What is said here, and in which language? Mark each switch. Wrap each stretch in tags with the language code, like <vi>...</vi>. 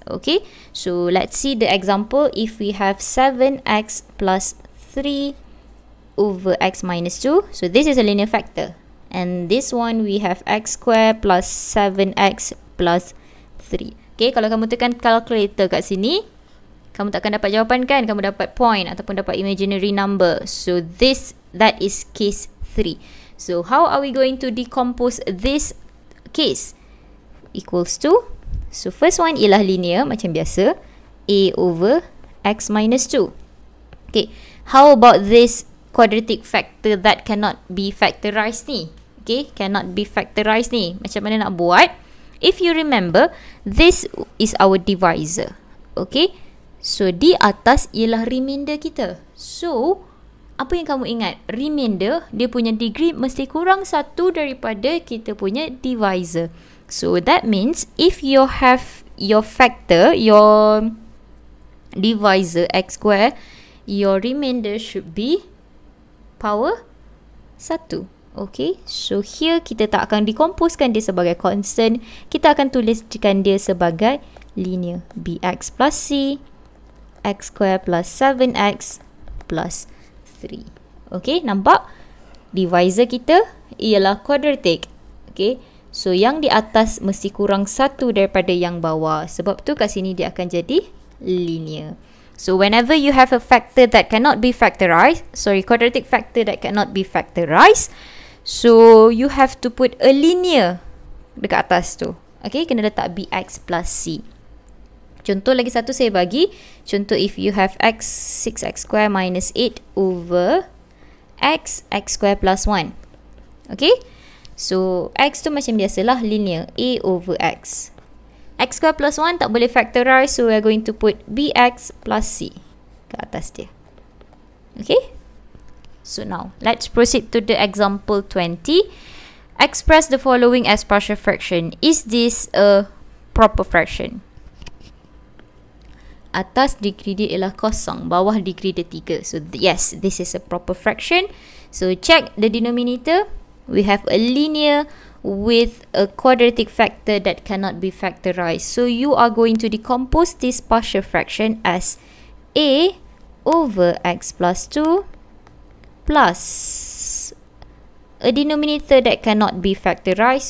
<en>Okay, so let's see the example. If we have 7x plus 3 over x minus 2, so this is a linear factor. And this one, we have x squared plus 7x plus 3.</en> <ms>Okay, kalau kamu tekan calculator kat sini, kamu takkan dapat jawapan kan? Kamu dapat point ataupun dapat imaginary number.</ms> <en>So this, that is case 3. So, how are we going to decompose this case? Equals to, so first one</en> <ms>ialah linear macam biasa,</ms> <en>a over x minus 2. Okay, how about this quadratic factor that cannot be factorized ni? Okay, cannot be factorized ni.</en> <ms>Macam mana nak buat?</ms> <en>If you remember, this is our divisor.</en> <ms>Okay, so di atas ialah remainder kita. So, apa yang kamu ingat? Remainder, dia punya degree mesti kurang 1 daripada kita punya divisor.</ms> <en>So, that means if you have your factor, your divisor x square, your remainder should be power 1.</en> <ms>Okay, so here kita tak akan dikomposkan dia sebagai constant. Kita akan tuliskan dia sebagai linear.</ms> <en>Bx plus c, x square plus 7x plus 3. Okay, nampak?</en> <ms>Divisor kita ialah quadratic. Okay, so yang di atas mesti kurang 1 daripada yang bawah. Sebab tu kat sini dia akan jadi linear.</ms> <en>So, whenever you have a factor that cannot be factorized, sorry, quadratic factor that cannot be factorized, so you have to put a linear</en> <ms>dekat atas tu. Okay, kena letak bx plus c. Contoh lagi satu saya bagi.</ms> <en>Contoh, if you have x, 6x square minus 8 over x, x square plus 1. Okay?</en> <ms>So, x tu macam biasalah linear. A over x. X square plus 1 tak boleh factorize.</ms> <en>So, we are going to put bx plus c</en> <ms>ke atas dia.</ms> <en>Okay? So, now, let's proceed to the example 20. Express the following as partial fraction. Is this a proper fraction?</en> <ms>Atas degree dia ialah kosong. Bawah degree dia 3.</ms> <en>So, yes, this is a proper fraction. So, check the denominator. We have a linear with a quadratic factor that cannot be factorized. So, you are going to decompose this partial fraction as a over x plus 2 plus a denominator that cannot be factorized.</en>